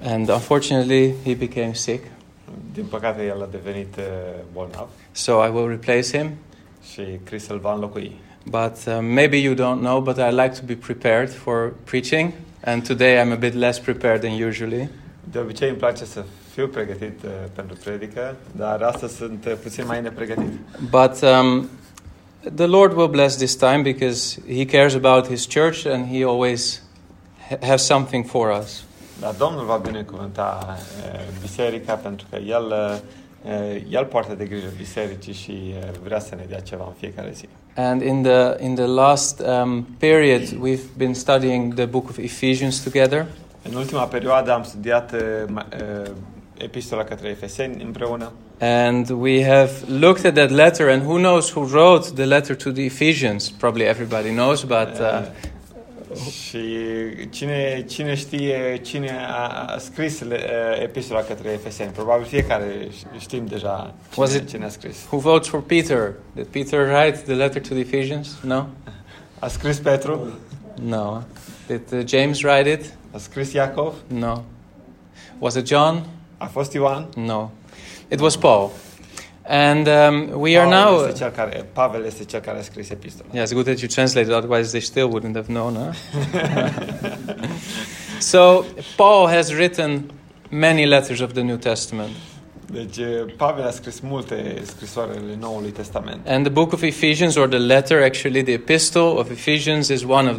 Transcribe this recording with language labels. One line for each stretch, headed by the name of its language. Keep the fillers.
English: And unfortunately, he became sick.
Romanian: Din păcate, el a devenit bolnav.
English: So I will replace him.
Romanian: Și Chris îl va înlocui.
English: But um, maybe you don't know, but I like to be prepared for preaching. And today I'm a bit less prepared than usually.
Romanian: De obicei îmi place fiu pregătit pentru predică, dar astăzi sunt puțin mai nepregătit.
English: But um, the Lord will bless this time because he cares about his church and he always has something for us.
Romanian: Dar Domnul va binecuvânta uh, biserica pentru că el, uh, el poartă de grijă bisericii și uh, vrea să ne dea ceva în fiecare zi.
English: And in the, in the last um, period we've been studying the book of Ephesians together.
Romanian: În ultima perioadă am studiat uh, uh epistola către Efeseni împreună.
English: And we have looked at that letter and who knows who wrote the letter to the Ephesians. Probably everybody knows, but
Romanian: uh, și oh. cine, cine știe cine a scris uh, epistola către Efeseni? Probabil fiecare știm deja cine,
English: was it,
Romanian: cine a scris.
English: Who votes for Peter? Did Peter write the letter to the Ephesians? No?
Romanian: A scris Petru?
English: No. Did uh, James write it?
Romanian: A scris Iacov?
English: No. Was it John?
Romanian: A fost Ioan?
English: No. It was Paul. And um, we are Paul now.
Romanian: Cealcare, Pavel
English: is the
Romanian: care a scris epistola.
English: Yes, it's good that you translated, otherwise they still wouldn't have known. Eh? so, Paul has written many letters of the New Testament.
Romanian: Deci, Pavel a scris multe scrisoarele Noului Testament.
English: And the book of Ephesians, or the letter actually, the epistle of Ephesians is one of